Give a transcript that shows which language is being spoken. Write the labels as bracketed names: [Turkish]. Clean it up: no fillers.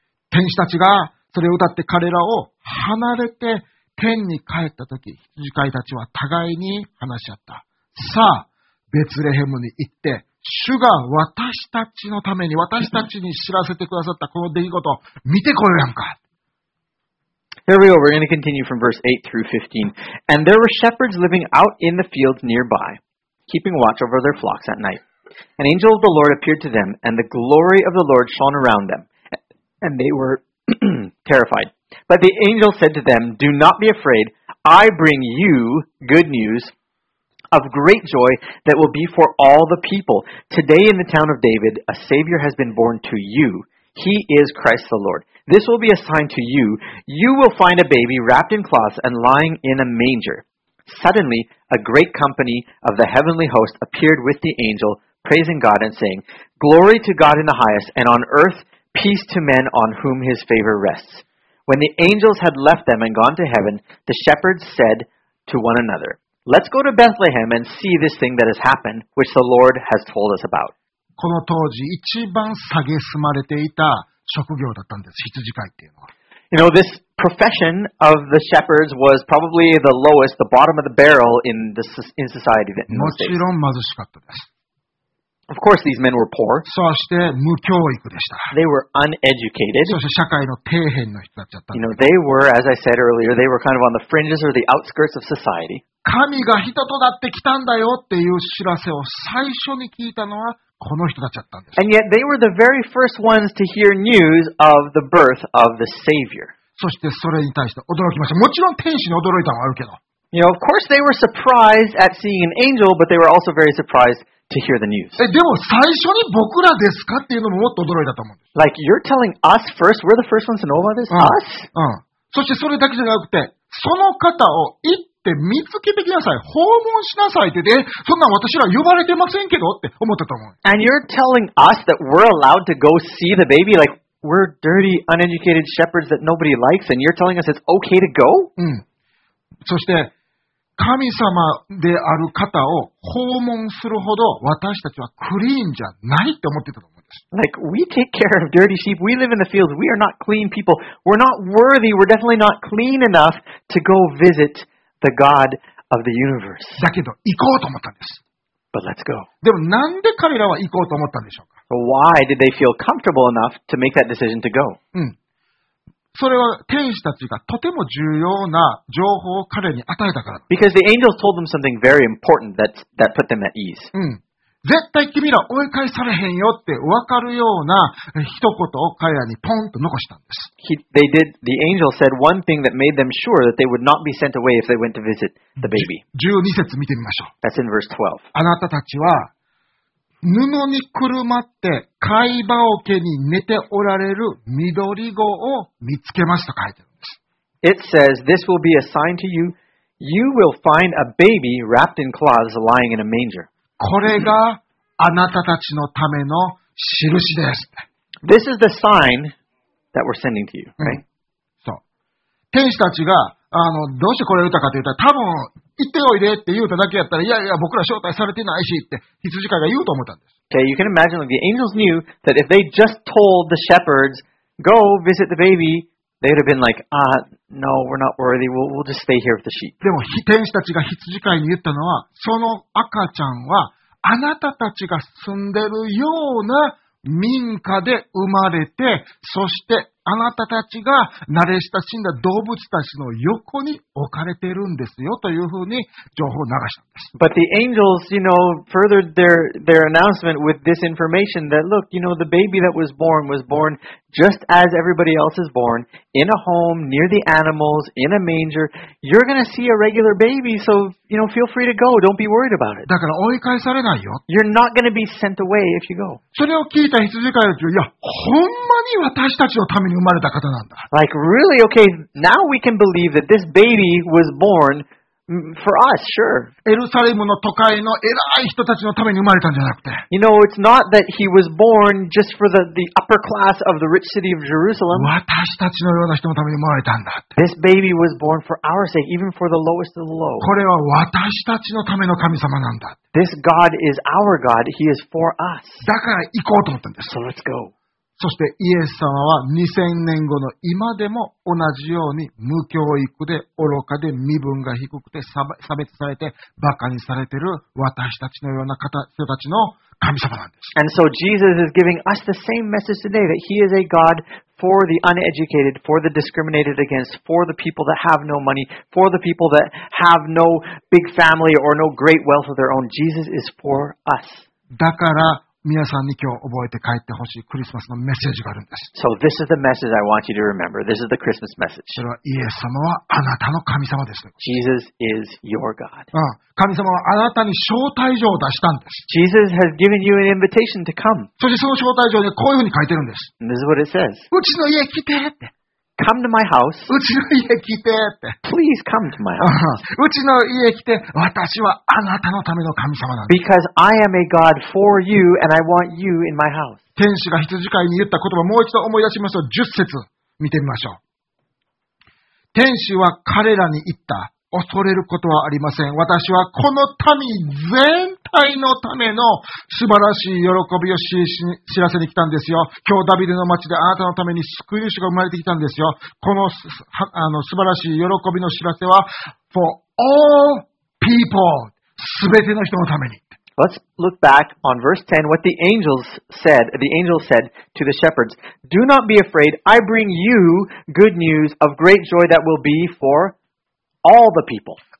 [Japanese] 天使たちがそれを歌って彼らを離れて天に帰ったとき、羊飼いたちは互いに話し合った。さあ、ベツレヘムに行って、主が私たちのために、私たちに知らせてくださったこの出来事を見てこようやんか。 [English] Here we go. We're going to continue from verse 8 through 15. And there were shepherds living out in the fields nearby, keeping watch over their flocks at night. An angel of the Lord appeared to them, and the glory of the Lord shone around them. And they were terrified. But the angel said to them, Do not be afraid. I bring you good news of great joy that will be for all the people. Today in the town of David, a Savior has been born to you. He is Christ the Lord. This will be a sign to you. You will find a baby wrapped in cloths and lying in a manger. Suddenly, a great company of the heavenly host appeared with the angel, praising God and saying, Glory to God in the highest, and on earth,Peace to men on whom his favor rests. When the angels had left them and gone to heaven, the shepherds said to one another, Let's go to Bethlehem and see this thing that has happened, which the Lord has told us about. [Japanese] この当時一番蔑まれていた職業だったんです、羊飼いっていうのは。 [English] You know, this profession of the shepherds was probably the lowest, the bottom of the barrel in society. [Japanese] もちろん貧しかったです。 [English] Of course, these men were poor. [Japanese] そして無教育でした。 [English] They were uneducated. [Japanese] そして社会の底辺の人たちだった。 [English] You know, they were, as I said earlier, they were kind of on the fringes or the outskirts of society. [Japanese] 神が人となってきたんだよっていう知らせを最初に聞いたのはこの人たちだったんです。 [English] And yet, they were the very first ones to hear news of the birth of the Savior. [Japanese] そしてそれに対して驚きました。もちろん天使に驚いたのはあるけど。 [English] You know, of course, they were surprised at seeing an angel, but they were also very surprised to hear the news. [Japanese] でも最初に僕らですかっていうのももっと驚いたと思う。 [English] Like, you're telling us first? We're the first ones to know about this? Us? [Japanese] うん。そしてそれだけじゃなくて、その方を行って見つけてきなさい。訪問しなさいって、そんな私ら呼ばれてませんけどって思ったと思う。 [English] And you're telling us that we're allowed to go see the baby? Like, we're dirty, uneducated shepherds that nobody likes, and you're telling us it's okay to go? [Japanese] うん。そして、神様である方を訪問するほど私たちはクリーンじゃないって思ってたと思うんです。 [English] Like, we take care of dirty sheep. We live in the fields. We are not clean people. We're not worthy. We're definitely not clean enough to go visit the God of the universe. [Japanese] だけど、行こうと思ったんです。 [English] But let's go. [Japanese] でも、なんで彼らは行こうと思ったんでしょうか? [English] Why did they feel comfortable enough to make that decision to go? [Japanese] うん。それは天使たちがとても重要な情報を彼に与えたから。 [English] Because the angels told them something very important that put them at ease. [Japanese] うん。絶対君ら追い返されへんよって分かるような一言を彼らにポンと残したんです。 [English] The angel said one thing that made them sure that they would not be sent away if they went to visit the baby. [Japanese] 12節見てみましょう。 [English] That's in verse 12. [Japanese] あなたたちは布にくるまって貝羽桶に寝ておられる緑子を見つけますと書いてあるんです。 [English] It says, this will be a sign to you. You will find a baby wrapped in cloths lying in a manger. [Japanese] これがあなたたちのための印です。 [English] This is the sign that we're sending to you, right?、 [Japanese] うん、そう。天使たちが、どうしてこれを言ったかというと、多分、行っておいでって言うただけやったら、いやいや、僕ら招待されてないしって羊飼いが言うと思ったんです。 [English] Okay, you can imagine that the angels knew that if they just told the shepherds, go visit the baby, they would have been like, no, we're not worthy, we'll just stay here with the sheep. [Japanese] でも、天使たちが羊飼いに言ったのは、その赤ちゃんは、あなたたちが住んでるような民家で生まれて、そして、あなたたちが慣れ親しんだ動物たちの横に置かれているんですよというふうに情報を流したんです。 [English] But the angels, you know, furthered their announcement with this information that look, you know, the baby that was born just as everybody else is born, in a home, near the animals, in a manger. You're gonna see a regular baby, so, you know, feel free to go. Don't be worried about it. [Japanese] だから追い返されないよ。 [English] You're not gonna be sent away if you go. [Japanese] それを聞いた羊飼いたちは、いや、ほんまに私たちのため [English] Like, really? Okay, now we can believe that this baby was born for us, sure. [Japanese] エルサレムの都会の偉い人たちのために生まれたんじゃなくて。 [English] You know, it's not that he was born just for the upper class of the rich city of Jerusalem. [Japanese] 私たちのような人のために生まれたんだって。 [English] This baby was born for our sake, even for the lowest of the low. [Japanese] これは私たちのための神様なんだ。 [English] This God is our God, he is for us. [Japanese] だから行こうと思ったんです。 [English] So let's go. [Japanese] そしてイエス様は2000年後の今でも同じように無教育で愚かで身分が低くて差別されて馬鹿にされている私たちのような人たちの神様なんです。 [English] And so Jesus is giving us the same message today that he is a God for the uneducated, for the discriminated against, for the people that have no money, for the people that have no big family or no great wealth of their own. Jesus is for us. [Japanese] だから皆さんに今日覚えて帰ってほしいクリスマスのメッセージがあるんです。 [English] So this is the message I want you to remember. This is the Christmas message. [Japanese] それはイエス様はあなたの神様です。 [English] Jesus is your God. [Japanese] うん。神様はあなたに招待状を出したんです。 [English] Jesus has given you an invitation to come. [Japanese] そしてその招待状にこういうふうに書いてるんです。 [English] And this is what it says. [Japanese] うちの家来てって。 [English] Come to my house. [Japanese] うちの家来てって。 [English] Please come to my house. [Japanese] うちの家来て、私はあなたのための神様なんだ。 [English] Because I am a God for you and I want you in my house. [Japanese] 天使が羊飼いに言った言葉、もう一度思い出しましょう。10節見てみましょう。天使は彼らに言った。恐れることはありません。私はこの民全体のための素晴らしい喜びを知らせに来たんですよ。今日ダビデの町であなたのために救い主が生まれてきたんですよ。この、素晴らしい喜びの知らせは [English] for all people、 [Japanese] すべての人のために。 [English] Let's look back on verse 10, what the angels said, to the shepherds. Do not be afraid. I bring you good news of great joy that will be forAll the people.